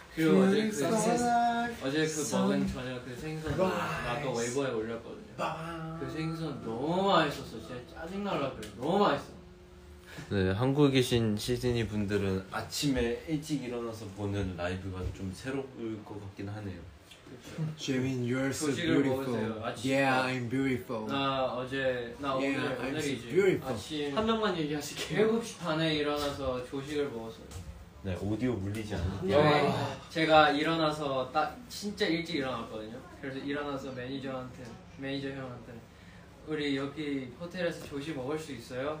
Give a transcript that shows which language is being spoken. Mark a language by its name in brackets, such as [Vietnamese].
[Korean] 그리고 어제 그 먹은 저녁 그 생선도 나도 웨이버에 올렸거든요. 그 생선 너무 맛있었어. 진짜 짜증날라 그래. 너무 맛있어. 네, 한국에 계신 시드니 분들은 아침에 일찍 일어나서 보는 라이브가 좀 새로울 것 같긴 하네요. [English] Jimin, you're so beautiful. Yeah, I'm beautiful. [Korean] 나 오늘이지. [English] So beautiful. [Korean] 아침 한 명만 얘기하실게요. 7시 반에 일어나서 조식을 먹었어요. 네, 오디오 물리지 않는다. 제가 일어나서 딱 진짜 일찍 일어났거든요. 그래서 일어나서 매니저 형한테 우리 여기 호텔에서 조식 먹을 수 있어요?